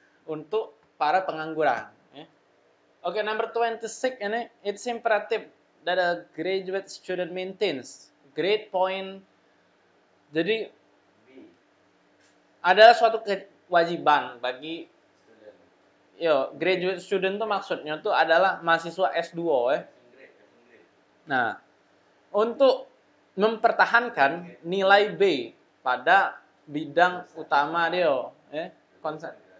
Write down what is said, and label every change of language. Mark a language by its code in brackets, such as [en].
[id] Untuk para pengangguran. [en] Yeah? Oke, okay, number 26 ini, it's imperative that a graduate student maintains grade point. [id] Jadi adalah suatu kewajiban bagi yo, graduate student tuh maksudnya tuh adalah mahasiswa S2, ya. Nah, untuk mempertahankan nilai B pada bidang utama dia, eh, konsep.